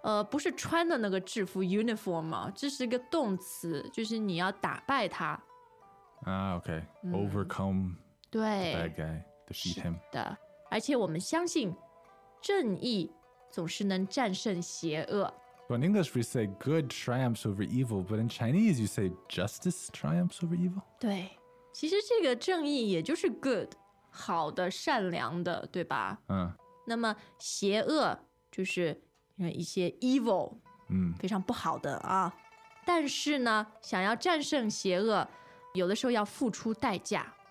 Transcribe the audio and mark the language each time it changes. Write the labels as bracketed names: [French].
[Chinese] 不是穿的那个制服 uniform 嘛，这是一个动词，就是你要打败他。 [English] Overcome. [Chinese] 对。 [English] The bad guy, defeat him. [Chinese] 是的，而且我们相信正义总是能战胜邪恶。 [English] Well, in English, we say good triumphs over evil, but in Chinese, you say justice triumphs over evil. [Chinese] 对，其实这个正义也就是 good， 好的，善良的，对吧？嗯。那么邪恶就是一些 evil，嗯，非常不好的啊。但是呢，想要战胜邪恶，有的时候要付出代价。